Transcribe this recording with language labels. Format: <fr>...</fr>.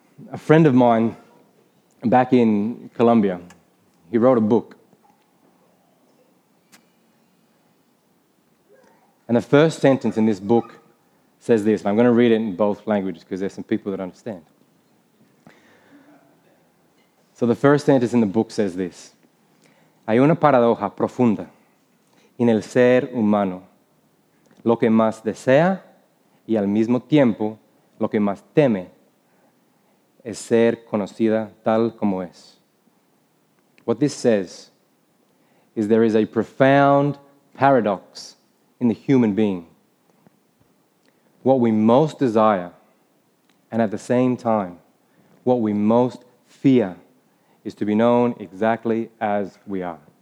<en>A friend of mine back in Colombia, he wrote a book. And the first sentence in this book says this, and I'm going to read it in both languages because there's some people that understand. So the first sentence in the book says this,</en> <es>hay una paradoja profunda en el ser humano, lo que más desea y al mismo tiempo lo que más teme es ser conocida tal como es.</es> <en>What this says is there is a profound paradox in the human being. What we most desire and at the same time what we most fear is to be known exactly as we are.</en>